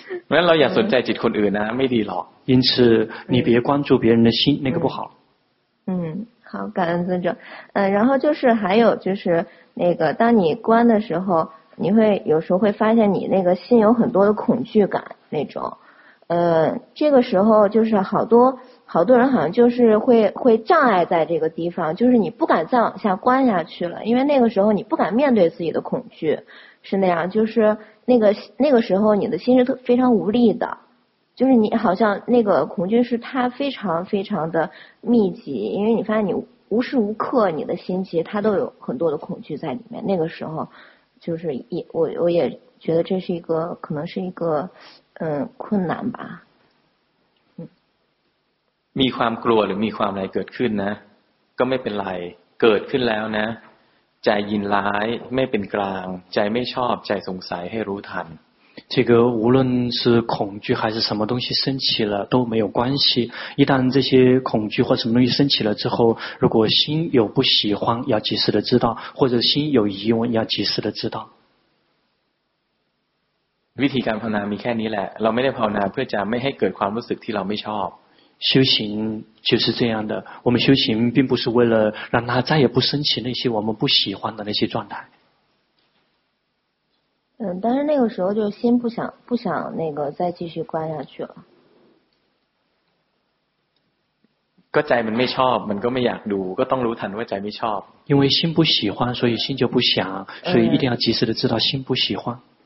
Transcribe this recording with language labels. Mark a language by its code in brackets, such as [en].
[th] งั้นเราอย่าสนใจจิตคนอื่นนะไม่ดีหรอก [zh] 因此你别关注别人的心那个不好好感恩尊者然后就是还有就是那个当你关的时候你会有时候会发现你那个心有很多的恐惧感那种这个时候就是好多人好像就是会障碍在这个地方就是你不敢再往下关下去了因为那个时候你不敢面对自己的恐惧是那样就是那个时候你的心是非常无力的就是你好像那个恐惧是它非常非常的密集因为你发现你无时无刻你的心其实它都有很多的恐惧在里面那个时候就是我也觉得这是一个可能是一个困难吧 [th] มีความกลัวหรือมีความอะไรเกิดขึ้นนะก็ไม่เป็นไรเกิดขึ้นแล้วนะใจยินร้ายไม่เป็นกลางใจไม่ชอบใจสงสัยให้รู้ทัน [zh] 这个无论是恐惧还是什么东西升起了都没有关系一旦这些恐惧或什么东西升起了之后如果心有不喜欢要及时的知道或者心有疑问要及时的知道 [th] วิธีการภาวนามีแค่นี้แหละเราไม่ได้ภาวนาเพื่อจะไม่ให้เกิดความรู้สึกที่เราไม่ชอบ [zh] 修行就是这样的我们修行并不是为了让它再也不升起那些我们不喜欢的那些状态但是那个时候就心不想那个再继续关下去了 [th] ก็ใจมันไม่ชอบมันก็ไม่อยากดูก็ต้องรู้ทันว่าใจไม่ชอบ [zh] 因为心不喜欢所以心就不想所以一定要及时的知道心不喜欢